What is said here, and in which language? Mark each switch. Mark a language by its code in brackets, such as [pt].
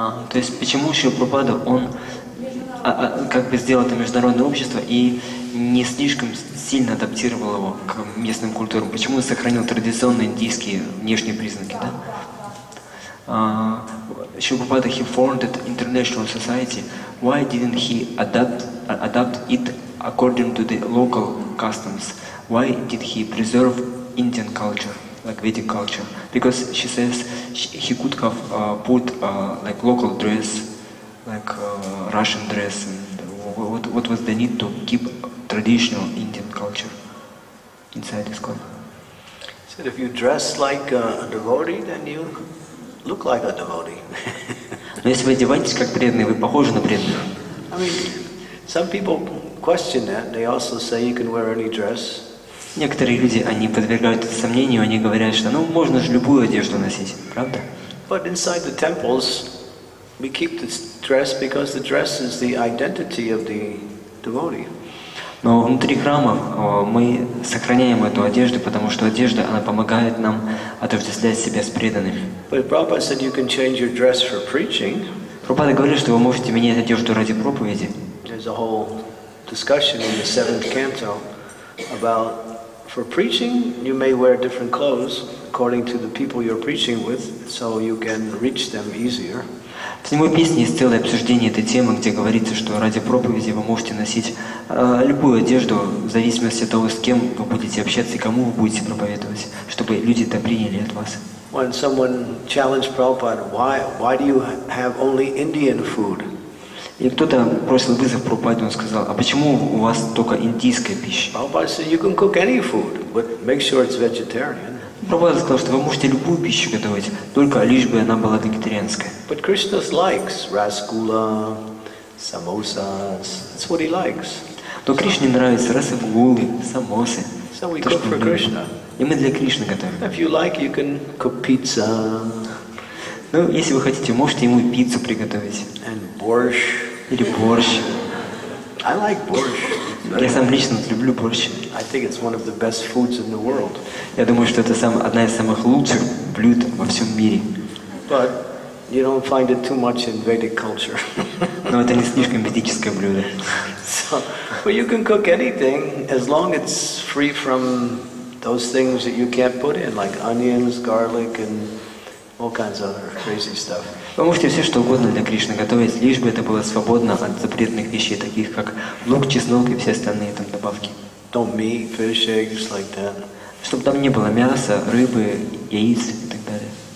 [ru] То есть почему Шри Прабхупада, он как бы сделал это международное общество и не слишком сильно адаптировал его к местным культурам? Почему он сохранил традиционные индийские внешние признаки, да? [en] Шри Прабхупада, he formed international society. Why didn't he adapt it according to the local customs? Why did he preserve Indian culture? Like Vedic culture, because she says he could have put like local dress, like Russian dress, and what was the need to keep traditional Indian culture inside his club? Said if you dress like a devotee, then you look like a devotee. [ru] Но если вы одеваетесь как преданный, вы похожи на преданных. [en] I mean, some people question that. They also say you can wear any dress. [ru] Некоторые люди, они подвергают это сомнению, они говорят, что ну можно же любую одежду носить, правда? [en] But inside the temples we keep the dress because the dress is the identity of the devotee. [ru] Но внутри храмов мы сохраняем эту одежду, потому что одежда, она помогает нам отождествлять себя с преданными. [en] But Prabhupada said you can change your dress for preaching. [ru] Прабхупада говорил, что вы можете менять одежду ради проповеди. [en] There's a whole discussion in the seventh canto about for preaching, you may wear different clothes according to the people you're preaching with, so you can reach them easier. [ru] В самой песне есть целое обсуждение этой темы, где говорится, что ради проповеди вы можете носить любую одежду, в зависимости от того, с кем вы будете общаться и кому вы будете проповедовать, чтобы люди это приняли от вас. [en] When someone challenged Prabhupada, why do you have only Indian food? [ru] И кто-то бросил вызов Прабхупаде, он сказал: а почему у вас только индийская пища? [en] Prabhupada said, you can cook any food, but make sure it's vegetarian. [ru] Прабхупада сказал, что вы можете любую пищу готовить, только лишь бы она была вегетарианская. [en] But Krishna likes rasgulla, samosas. That's what he likes. [ru] Но Кришне нравится расгуллы, самосы. [en] So we cook for Krishna. [ru] И мы для Кришны готовим. [en] If you like, you can cook pizza. [ru] Ну, если вы хотите, можете ему пиццу приготовить. [en] And borscht. [ru] Или борщ. [en] I like borscht. [ru] Я сам лично люблю борщ. [en] I think it's one of the best foods in the world. [ru] Я думаю, что это одна из самых лучших блюд во всем мире. [en] But you don't find it too much in Vedic culture. [ru] Но это не слишком ведическое блюдо. [en] So, but you can cook anything as long as it's free from those things that you can't put in, like onions, garlic, and all kinds of other crazy stuff. [ru] Вы можете все что угодно для Кришны готовить, лишь бы это было свободно от запретных вещей, таких как лук, чеснок и все остальные там добавки. [en] Don't meat, fish, eggs, like that. [ru] Чтобы там не было мяса, рыбы, яиц и так далее.